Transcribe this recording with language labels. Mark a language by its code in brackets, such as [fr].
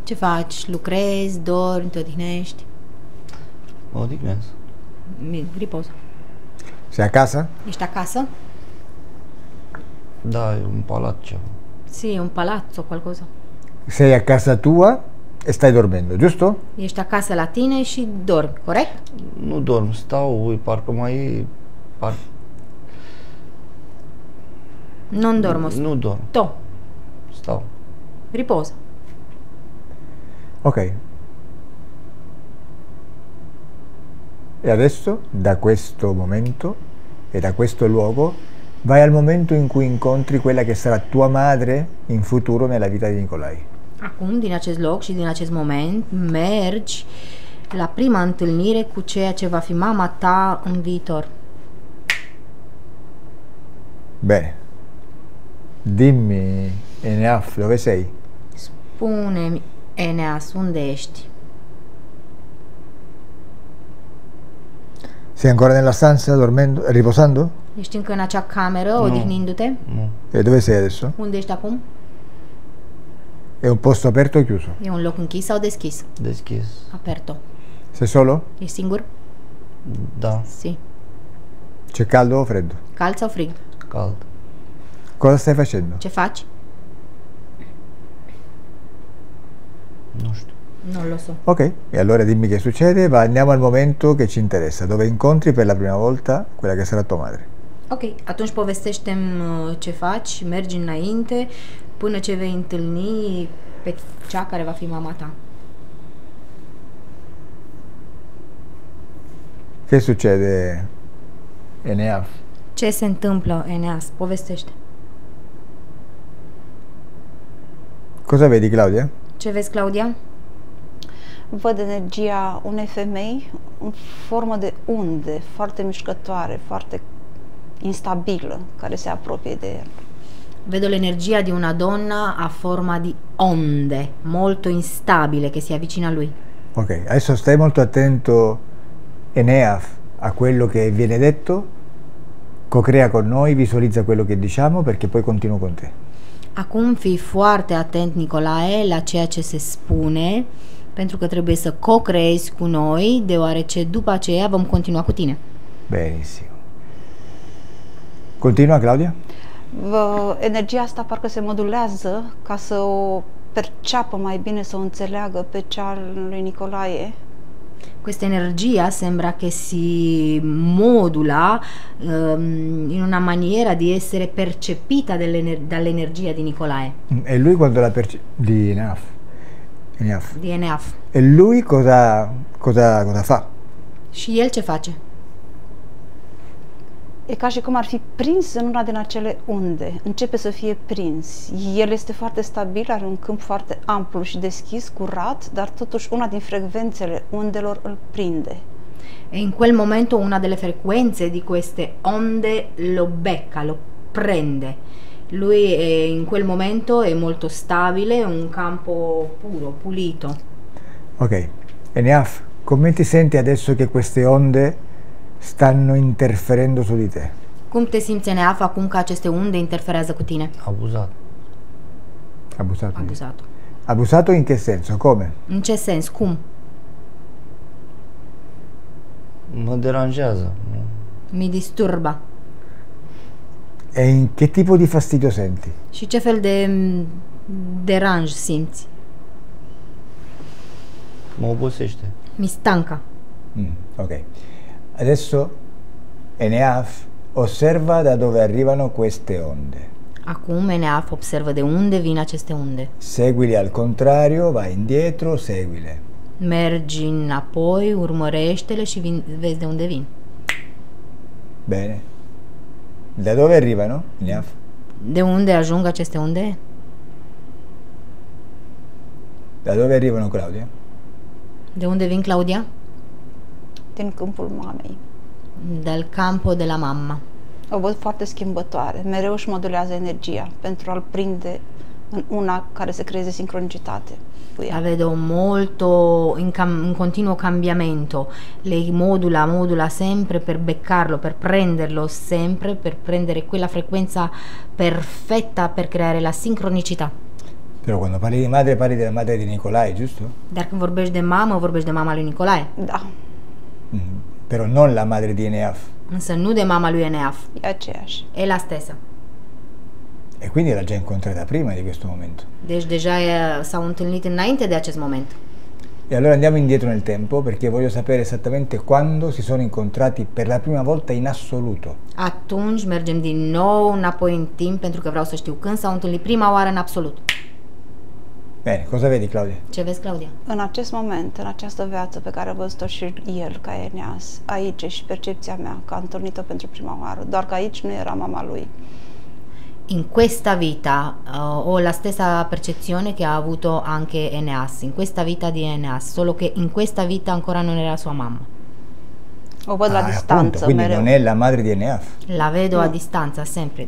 [ro] Ce faci? Lucrezi, dormi, ti odihnești? Mă odihnesc. [it] Mi riposo. Sei a casa? [ro] Ești acasă? Da, e un palat ceva. [it] Sì, un palazzo, qualcosa. Sei a casa tua e stai dormendo, giusto? [ro] Ești acasă la tine și dormi, corect? Nu dorm, stau, parcă mai... [it] Non dormo. [ro] Nu dorm. To. Stau. [it] Riposo. Ok. E adesso, da questo momento e da questo luogo, vai al momento in cui incontri quella che sarà tua madre in futuro nella vita di Nicolai. [ro] Acum, din acest loc și din acest moment, mergi la prima întâlnire cu ceea ce va fi mama ta în viitor. [it] Bene. Dimmi, Eneas, dove sei? [ro] Spune-mi, Eneas, unde ești? [it] Sei ancora nella stanza, dormendo, riposando? [ro] Ești încă în acea cameră, no, odihnindu-te? [it] Nu. No. E dove sei adesso? [ro] Unde ești acum? [it] E un posto aperto o chiuso? [ro] E un loc închis sau deschis? Deschis. [it] Aperto. Sei solo? [ro] Ești singur? Da. [it] Sì. C'è caldo o freddo? [ro] Cald sau frig? Cald. [it] Cosa stai facendo? [ro] Ce faci? Nu știu. [it] Non lo so. Ok, e allora dimmi che succede, ma andiamo al momento che ci interessa, dove incontri per la prima volta quella che sarà tua madre. [ro] Ok, atunci povestește-mi ce faci, mergi înainte, până ce vei întâlni pe cea care va fi mama ta. [it] Ce succede, Enea? [ro] Ce se întâmplă, Enea? Povestește. [it] Cosa vedi, Claudia? [ro] Ce vezi, Claudia? Văd energia unei femei în formă de unde, foarte mișcătoare, foarte instabilă, care se apropie de el. [it] Vedo l'energia di una donna a forma di onde, molto instabile, che si avvicina a lui. Ok, adesso stai molto attento, Eneaf, a quello che viene detto, co-crea con noi, visualizza quello che diciamo, perché poi continuo con te. [ro] Acum fii foarte atent, Nicolae, la ceea ce se spune, pentru că trebuie să co-creezi cu noi, deoarece după aceea vom continua cu tine. [it] Benissimo. Continua, Claudia? [ro] Energia asta parcă se modulează ca să o perceapă mai bine, să o înțeleagă pe cea lui Nicolae. [it] Questa energia sembra che si modula in una maniera di essere percepita dall'energia di Nicolae. E lui quando la perce... di Enaf. Enaf. Di Enaf. E lui cosa fa? [ro] Și el ce face? E ca și cum ar fi prins în una din acele unde. Începe să fie prins. El este foarte stabil, are un câmp foarte amplu și deschis, curat, dar totuși una din frecvențele undelor îl prinde. [it] E în quel momento una delle frecuențe di queste onde lo becca, lo prende. Lui e in quel momento è molto stabile, un campo puro, pulito. Ok. Eneaf, come ti senti adesso che queste onde stanno interferendo su di te? [ro] Cum te simți, Neaf, acum că aceste unde interferează cu tine? Abuzat. Abuzat. Abuzat. Abuzat în ce sens? [it] Come? [ro] În ce sens? Cum? Mă deranjează. [it] Mi disturba. E [ro] în ce tip de [it] fastidio senti? [ro] Și ce fel de deranj simți? Mă obosește. [it] Mi stanca. Ok. Adesso Eneaf osserva da dove arrivano queste onde. [ro] Acum Eneaf observă de unde vin aceste onde. [it] Seguile al contrario, vai indietro, seguile. [ro] Mergi înapoi, urmăreștele și vezi de unde vin. [it] Bene. Da dove arrivano, Eneaf? [ro] De unde ajung aceste onde? [it] Da dove arrivano, Claudia? [ro] De unde vin, Claudia? Din câmpul mamei. [it] Dal campo de la mamma. [ro] O văd foarte schimbătoare. Mereu își modulează energia pentru a-l prinde în una care se creeze sincronicitate. [it] La vedo molto in continuo cambiamento. Lei modula sempre per beccarlo, per prenderlo sempre, per prendere quella frequenza perfetta per creare la sincronicità. Però quando parli di madre, parli della madre di Nicolae, giusto? [ro] Dar când vorbești de mamă, vorbești de mama lui Nicolae. Da. [it] Però non la madre di Eneaf. [ro] Însă nu de mama lui Eneaf. E aceeași. [it] E la stessa. E quindi l'ha già incontrata prima di questo momento. [ro] Deci deja s-au întâlnit înainte de acest moment. [it] E allora andiamo indietro nel tempo, perché voglio sapere esattamente quando si sono incontrati per la prima volta in assoluto. [ro] Atunci mergem din nou înapoi în timp, pentru că vreau să știu când s-au întâlnit prima oară în absolut. [it] Bene, cosa vedi, Claudia? [ro] Ce vezi, Claudia? În acest moment, în această viață pe care a văzut-o și el ca Eneas, aici și percepția mea că a întâlnit-o pentru prima oară, doar că aici nu era mama lui. [it] In questa vita ho la stessa percezione che ha avuto anche Eneas, in questa vita di Eneas, solo che in questa vita ancora non era sua mamma. O vedo a distanza, appunto, [ro] mereu. [it] Non è la madre di Eneas. La vedo a distanza sempre.